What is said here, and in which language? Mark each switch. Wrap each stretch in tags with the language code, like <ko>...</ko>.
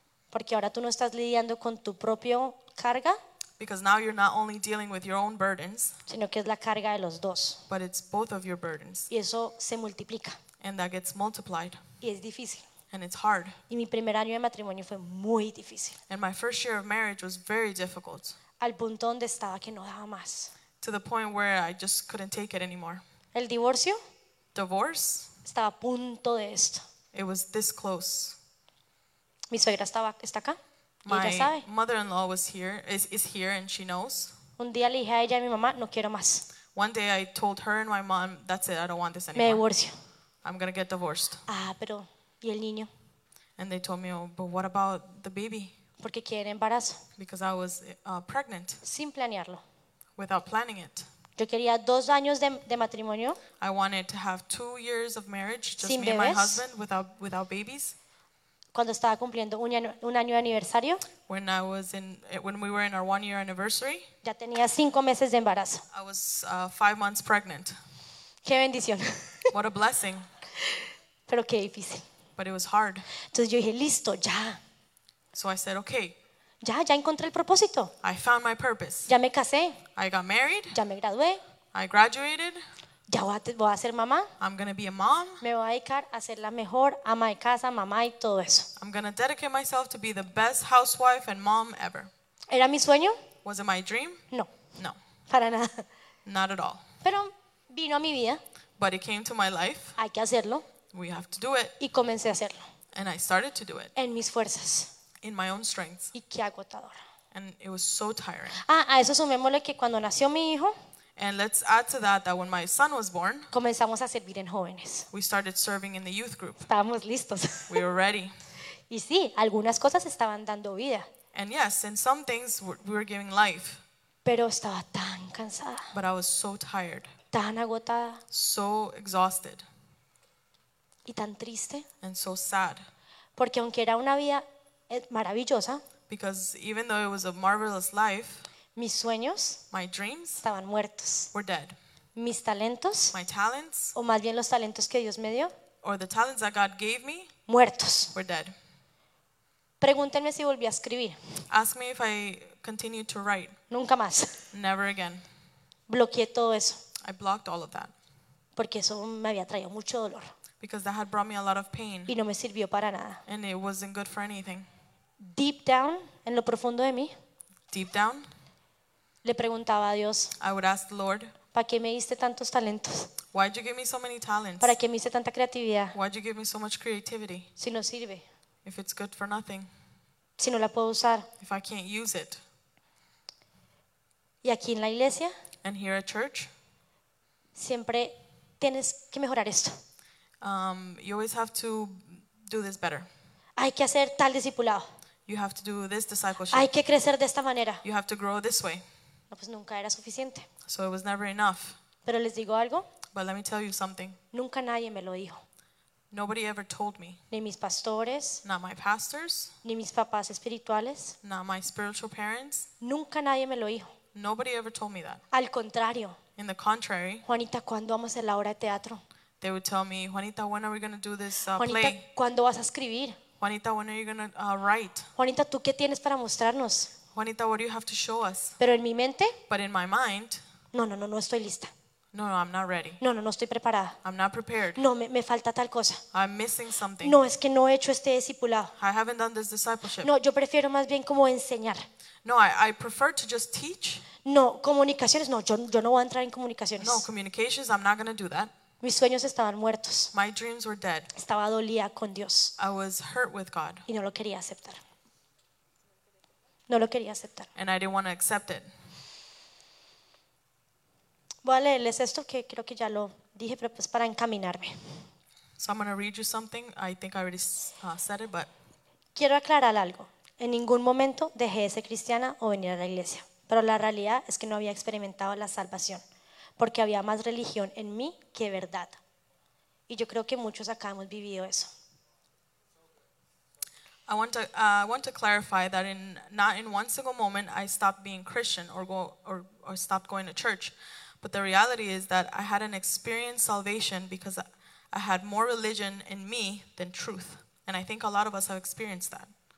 <es>Porque ahora tú no estás lidiando con tu propio carga.</es> <en>Because now you're not only dealing with your own burdens,</en> <es>sino que es la carga de los dos.</es> <en>But it's both of your burdens.</en> <es>Y eso se multiplica.</es> <en>And that gets multiplied.</en> <es>Y es difícil.</es> <en>And it's hard.</en> <es>Y mi primer año de matrimonio fue muy difícil.</es> <en>And my first year of marriage was very difficult.</en> <es>Al punto donde estaba que no daba más.</es> <en>To the point where I just couldn't take it anymore.</en> <es>El divorcio.</es> <en>Divorce.</en> <es>Estaba a punto de esto.</es> <en>It was this close.</en> <es>Mi suegra estaba, está acá.</es> <en>My</en> <es>ella sabe.</es> <en>Mother-in-law was here, is here, and she knows.</en> <es>Un día le dije a ella y a mi mamá, no quiero más.</es> <en>One day I told her and my mom, that's it, I don't want this anymore.</en> <es>Me divorcio.</es> <en>I'm gonna get divorced.</en> <es>Ah, pero ¿y el niño?</es> <en>And they told me, oh, but what about the baby?</en> <es>Porque quiere embarazo.</es> <en>Because I was pregnant.</en> <es>Sin planearlo.</es> <en>Without planning it.</en> <es>Yo quería dos años de matrimonio.</es> <en>I wanted to have 2 years of marriage, just</en> <es>sin me bebés.</es> <en>And my husband, without babies.</en> <es>Cuando estaba cumpliendo un año de aniversario.</es> <en>When we were in our one year anniversary.</en> <es>Ya tenía 5 meses de embarazo.</es> <en>I was 5 months pregnant.</en> <es>Qué bendición.</es> <en>What a blessing.</en> <es>Pero qué difícil.</es> <en>But it was hard.</en> <es>Entonces yo dije, listo, ya.</es> <en>So I said, okay.</en> <es>Ya encontré el propósito.</es> <en>I found my purpose.</en> <es>Ya me casé.</es> <en>I got married.</en> <es>Ya me gradué.</es> <en>I graduated.</en> <es>Ya voy a ser mamá.</es> <en>I'm going to be a mom.</en> <es>Me voy a dedicar a ser la mejor ama de casa, mamá y todo eso.</es> <en>I'm going to dedicate myself to be the best housewife and mom ever.</en> <es>¿Era mi sueño?</es> <en>Was it my dream?</en> <es>No.</es> <en>No.</en> <es>Para nada.</es> <en>Not at all.</en> <es>Pero vino a mi vida.</es> <en>But it came to my life.</en> <es>Hay que hacerlo.</es> <en>We have to do it.</en> <es>Y comencé a hacerlo.</es> <en>And I started to do it.</en> <es>En mis fuerzas.</es> <en>In my own strength.</en> <es>Y qué agotador.</es> <en>And it was so tiring.</en> <es>Ah, a eso sumémosle que cuando nació mi hijo.</es> <en>And let's add to that when my son was born,</en> <es>comenzamos a servir en jóvenes.</es> <en>We started serving in the youth group.</en> <es>Estábamos listos.</es> <en>We were ready.</en> <es>Y sí, algunas cosas estaban dando vida.</es> <en>And yes, and some things we were giving life.</en> <es>Pero estaba tan cansada.</es> <en>But I was so tired.</en> <es>Tan agotada.</es> <en>So exhausted.</en> <es>Y tan triste.</es> <en>And so sad.</en> <es>Porque aunque era una vida maravillosa,</es> <en>because even though it was a marvelous life,</en> <es>mis sueños,</es> <en>my dreams,</en> <es>estaban muertos.</es> <en>Were dead.</en> <es>Mis talentos,</es> <en>my talents,</en> <es>o más bien los talentos que Dios me dio,</es> <en>or the talents that God gave me,</en> <es>muertos.</es> <en>Were dead.</en> <es>Pregúntenme si volví a escribir.</es> <en>Ask me if I continued to write.</en> <es>Nunca más.</es> <en>Never again.</en> <es>Bloqueé todo eso.</es> <en>I blocked all of that.</en> <es>Porque eso me había traído mucho dolor.</es> <en>Because that had brought me a lot of pain.</en> <es>Y no me sirvió para nada.</es> <en>And it wasn't good for anything. Deep down,</en> <es>en lo profundo de mí.</es> <en>Deep down.</en> <es>Le preguntaba a Dios.</es> <en>I would ask the Lord.</en> <es>¿Para qué me diste tantos talentos?</es> <en>Why did you give me so many talents?</en> <es>¿Para qué me diste tanta creatividad?</es> <en>Why did you give me so much creativity?</en> <es>Si no sirve.</es> <en>If it's good for nothing.</en> <es>Si no la puedo usar.</es> <en>If I can't use it.</en> <es>Y aquí en la iglesia.</es> <en>And here at church.</en> <es>Siempre tienes que mejorar esto.</es> <en>You always have to do this better.</en> <es>Hay que hacer tal discipulado.</es> <en>You have to do this discipleship.</en> <es>Hay que crecer de esta manera.</es> <en>You have to grow this way.</en> <es>No, pues nunca era suficiente.</es> <en>So it was never enough.</en> <es>Pero les digo algo.</es> <en>But let me tell you something.</en> <es>Nunca nadie me lo dijo.</es> <en>Nobody ever told me.</en> <es>Ni mis pastores.</es> <en>Not my pastors.</en> <es>Ni mis papás espirituales.</es> <en>Not my spiritual parents.</en> <es>Nunca nadie me lo dijo.</es> <en>Nobody ever told me that.</en> <es>Al contrario.</es> <en>In the contrary.</en> <es>Juanita, ¿cuándo vamos a hacer la obra de teatro?</es> <en>They would tell me, Juanita, when are we going to do this Juanita, play?</en> <es>¿Cuándo vas a escribir?</es> <en>Juanita, when are you going to write?</en> <es>Juanita, ¿tú qué tienes para mostrarnos?</es> <en>Juanita, what do you have to show us?</en> <es>Pero en mi mente,</es> <en>but in my mind,</en> <es>no estoy lista.</es> <en>No, I'm not ready.</en> <es>No estoy preparada.</es> <en>I'm not prepared.</en> <es>No, me falta tal cosa.</es> <en>I'm missing something.</en> <es>No, es que no he hecho este discipulado.</es> <en>I haven't done this discipleship.</en> <es>No, yo prefiero más bien como enseñar.</es> <en>No, I prefer to just teach.</en> <es>No, comunicaciones, no, yo no voy a entrar en comunicaciones.</es> <en>No, communications, I'm not going to do that.</en> <es>Mis sueños estaban muertos.</es> <en>My dreams were dead.</en> <es>Estaba dolida con Dios.</es> <en>I was hurt with God.</en> <es>Y no lo quería aceptar. No lo quería aceptar.</es> <en>And I didn't want to accept it.</en> <es>Voy a leerles esto que creo que ya lo Dije, pero pues para encaminarme.</es> <en>So I'm going to read you something. I think I already said it, but</en> <es>quiero aclarar algo. En ningún momento dejé de ser cristiana o venir a la iglesia, pero la realidad es que no había experimentado la salvación, porque había más religión en mí que verdad. Y yo creo que muchos acá hemos vivido eso.</es> <en>I want to clarify that not in one single moment I stopped being Christian or stopped going to church, but the reality is that I had an experience salvation because I had more religion in me than truth, and I think a lot of us have experienced that.</en>